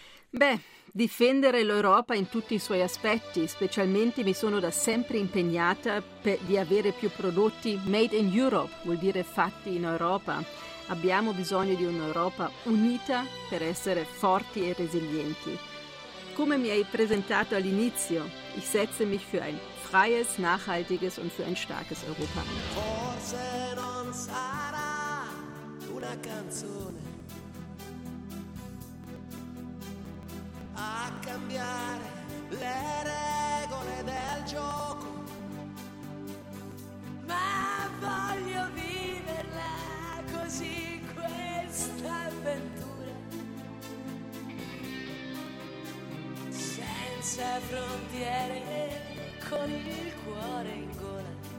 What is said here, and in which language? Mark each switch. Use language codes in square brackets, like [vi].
[it] Beh, difendere l'Europa in tutti i suoi aspetti, specialmente mi sono da sempre impegnata di avere più prodotti made in Europe, vuol dire fatti in Europa. Abbiamo bisogno di un'Europa unita per essere forti e resilienti. Come mi hai presentato all'inizio, [de] ich setze mich für ein freies, nachhaltiges und für ein starkes Europa. [it] Forse non sarà una canzone a cambiare le regole del gioco, ma voglio viverla così, questa avventura, senza frontiere, con il cuore in gola.